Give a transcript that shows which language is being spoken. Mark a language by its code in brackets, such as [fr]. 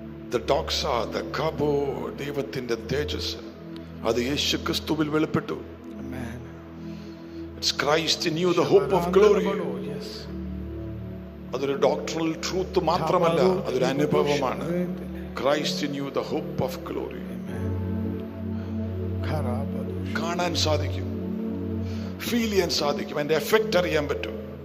[ml] The doxa, the kabo, ദൈവത്തിന്റെ തേജസ്, അത് യേശു ക്രിസ്തുവിൽ വെളിപ്പെട്ടു. [en] It's Christ in you, the hope of glory. [ml] അതൊരു [en] doctoral truth [ml] മാത്രമല്ല, അതൊരു അനുഭവമാണ്. [en] Christ in you the hope of glory. [ml] കാണാൻ സാധിക്കും, ഫീൽ ചെയ്യാൻ സാധിക്കും, അതിന്റെ എഫക്റ്റ് അറിയാൻ പറ്റും.